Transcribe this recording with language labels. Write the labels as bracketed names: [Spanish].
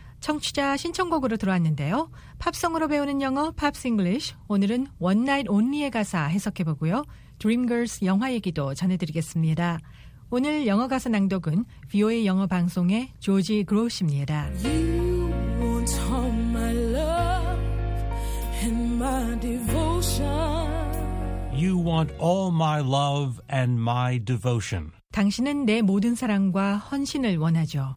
[Korean] 청취자 신청곡으로 들어왔는데요. 팝송으로 배우는 영어 Pops English. 오늘은 One Night Only의 가사 해석해보고요. 드림걸스 영화 얘기도 전해드리겠습니다. 오늘 영어 가사 낭독은 VOA 영어 방송의 조지 그로우입니다. [English] You want all my love and my devotion. You want all my love and my devotion. [Korean] 당신은 내 모든 사랑과 헌신을 원하죠.